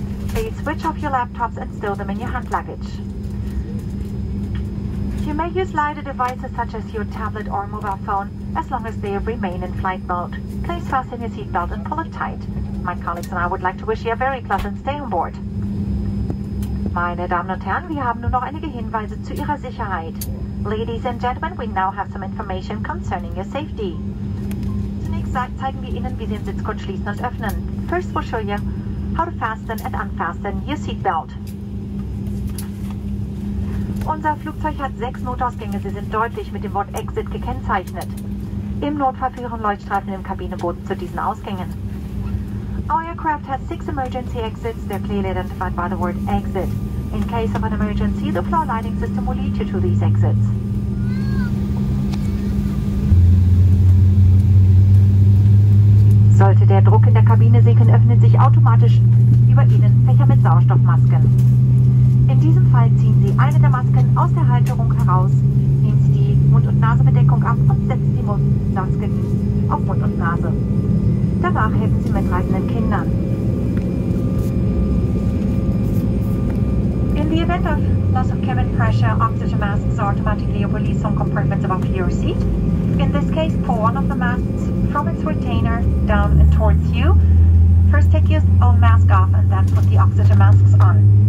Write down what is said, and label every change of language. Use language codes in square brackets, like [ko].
[en] Please switch off your laptops and stow them in your hand luggage. You may use lighter devices such as your tablet or mobile phone as long as they remain in flight mode. Please fasten your seatbelt and pull it tight. My colleagues and I would like to wish you a very pleasant stay on board. [de] Meine Damen und Herren, wir haben nur noch einige Hinweise zu Ihrer Sicherheit. [en] Ladies and gentlemen, we now have some information concerning your safety. [de] Zunächst zeigen wir Ihnen, wie Sie den Sitzgurt schließen und öffnen. [en] First we'll show you how to fasten and unfasten your seatbelt. [de] Unser Flugzeug hat 6 Notausgänge, sie sind deutlich mit dem Wort Exit gekennzeichnet. Im Notfall führen Leuchtstreifen im Kabinenboden zu diesen Ausgängen. [en] Our aircraft has 6 emergency exits. They're clearly identified by the word exit. In case of an emergency, the floor lighting system will lead you to these exits. [de] Sollte der Druck in der Kabine sinken, öffnen sich automatisch über Ihnen Fächer mit Sauerstoffmasken. In diesem Fall ziehen Sie eine der Masken aus der Halterung heraus, nehmen Sie die Mund- und Nasenbedeckung ab und setzen die Maske auf Mund und Nase. Danach helfen Sie mitreisenden Kindern. [en] In the event of loss of cabin pressure, oxygen masks are automatically released from compartments above your seat. In this case, pull one of the masks from its retainer down and towards you. First take your own mask off and then put the oxygen masks on.